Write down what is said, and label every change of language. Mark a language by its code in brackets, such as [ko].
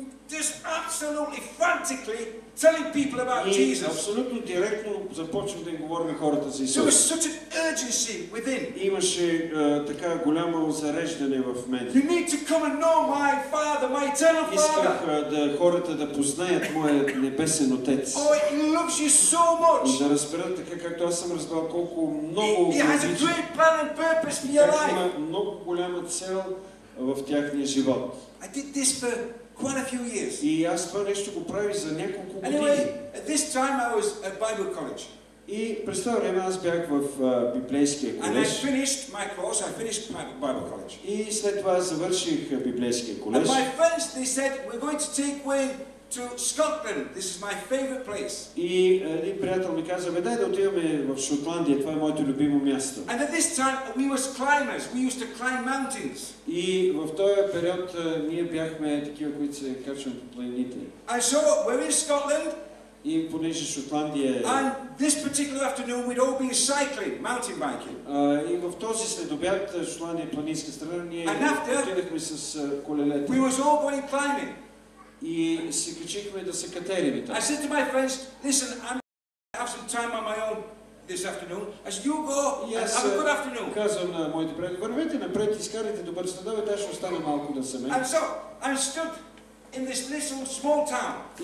[en] Just absolutely frantically telling people about Jesus. [bg] И абсолютно директно започвам да им говоря на хората за Исус. [en] There was such an urgency within. [bg] Имаше така голямо зареждане в мен. [en] You need to come and know my Father, my eternal Father. [bg] Исках да хората да познаят моя небесен Отец. [en] Oh, he loves you so much. [bg] Да разберат така, както аз съм разбрал колко много [en] He has a great plan and purpose for your life. [bg] Има много голяма цел в тяхния живот. [en] I did this for quite a few years. [bg] И аз това нещо го правих за няколко години. [en] Anyway, at this time I was at Bible College. [bg] И през това време аз бях в библейския колеж. [en] And I finished my course. I finished my Bible College. [bg] И след това завърших библейския колеж. [en] And my friends, they said, we're going to take away to Scotland. This is my favorite place. [bg] И един приятел ми каза, дай да отиваме в Шотландия. Това е моето любимо място. [en] And at this time we was climbers. We used to climb mountains. [bg] И в този период ние бяхме такива, които се качваме по планините. [en] And so we're in Scotland. [bg] И понеже Шотландия е... [en] And this particular afternoon we'd all been cycling, mountain biking. [bg] И в този следобед Шотландия е планинска страна. Ние отидахме с колелета. [en] We was all going climbing. [bg] И се качихме да се катериме там. [en] I said to my friends, listen, I'm gonna have some time on my own this afternoon. I said, you go, yes, have a good afternoon. [bg] Казвам на моите приятели, вървете напред, изкарайте добър следобед, аз ще остана малко да се мен. [en] And so I stood in this little small town.